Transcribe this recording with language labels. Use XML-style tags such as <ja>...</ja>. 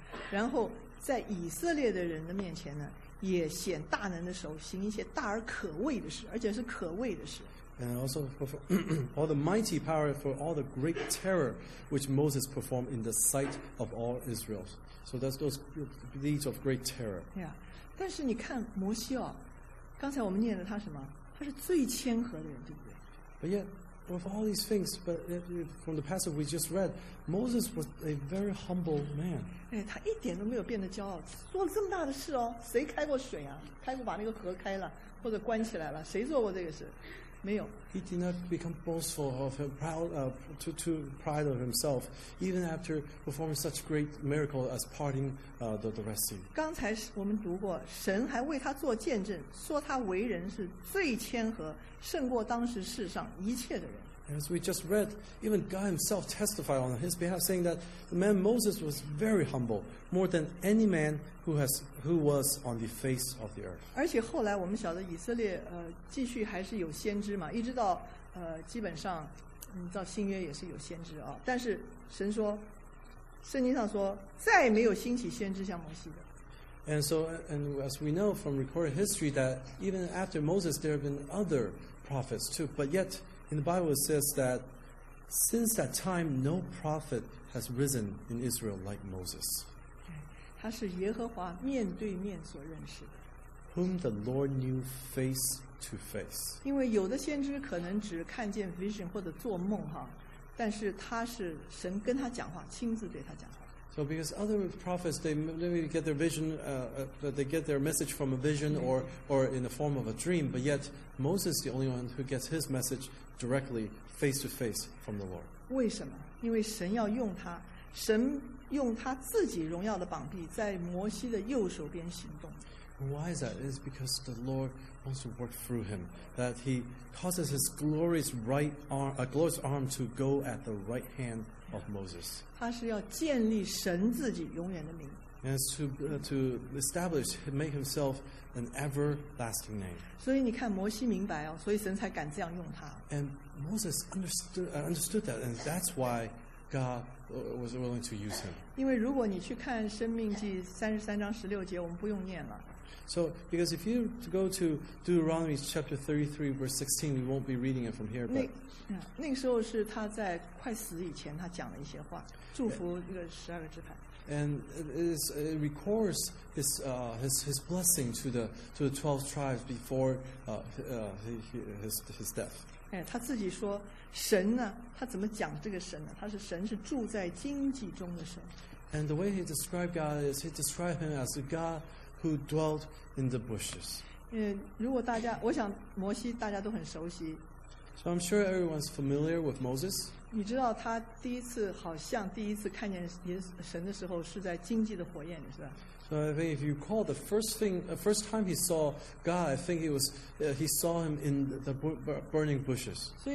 <zh>然后在以色列的人的面前呢，也显大能的手，行一些大而可畏的事，而且是可畏的事。</zh> <en>And also for all the mighty power for all the great terror which Moses performed in the sight of all Israel. So that's those deeds of great terror. Yeah.</en> <zh>但是你看摩西哦，刚才我们念的他什么？他是最谦和的人，对不对？</zh> <en>But yet, with all these things, but from the passage we just read, Moses was a very humble man.</en> <zh>哎，他一点都没有变得骄傲。做了这么大的事哦，谁开过水啊？开过把那个河开了，或者关起来了？谁做过这个事？没有。</zh> <en>He did not become boastful of him, proud, too pride of himself, even after performing such great miracle as parting the Red Sea.</en> <zh>刚才我们读过，神还为他做见证，说他为人是最谦和，胜过当时世上一切的人。</zh> <en>As we just read, even God himself testified on his behalf, saying that the man Moses was very humble, more than any man who was on the face of the earth.</en> <zh>而且后来我们晓得以色列继续还是有先知嘛，一直到基本上到新约也是有先知啊。但是神说，圣经上说，再没有兴起先知像摩西的。</zh> <en>And so, and as we know from recorded history, that even after Moses, there have been other prophets too, but yet. In the Bible, it says that since that time, no prophet has risen in Israel like Moses.</en> <zh>他是耶和华面对面所认识的。</zh> <en>Whom the Lord knew face to face.</en> <zh>因为有的先知可能只看见 vision 或者做梦哈，但是他是神跟他讲话，亲自对他讲话。</zh> <en>So because other prophets, they maybe get their vision, they get their message from a vision or in the form of a dream, but yet Moses is the only one who gets his message directly, face to face from the Lord.</en> <zh>为什么？因为神要用他，神用他自己荣耀的膀臂在摩西的右手边行动。</zh> <en>Why is that? It's because the Lord wants to work through him, that he causes his glorious right arm, a glorious arm to go at the right hand of Moses.</en> <zh>他是要建立神自己永远的名。</zh> <en>And it's to establish, make himself an everlasting name.</en> <zh>所以你看摩西明白哦，所以神才敢这样用他。</zh> <en>And Moses understood that, and that's why God was willing to use him.</en> <zh>因为如果你去看《生命记》33:16，我们不用念了。</zh> <en>So, because if you go to Deuteronomy chapter 33, verse 16, we won't be reading it from here, but...</en> <zh>那个时候是他在快死以前他讲了一些话, 祝福那个十二个支派。</zh> <en>And it records his blessing to the 12 tribes before his death.</en> <zh>他自己说, 神呢, 他怎么讲这个神呢? 他是神是住在荆棘中的神。</zh> <en>And the way he described God is he described him as a God who dwelt in the bushes.</en> <zh>如果大家, 我想摩西大家都很熟悉。</zh> <en>So I'm sure everyone's familiar with Moses.</en> <zh>你知道他第一次好像第一次看见神的时候是在荆棘的火焰里，是吧？</zh> <en>So I think if you call the first thing, first time he saw God, I think it was he saw him in the burning bushes.</en>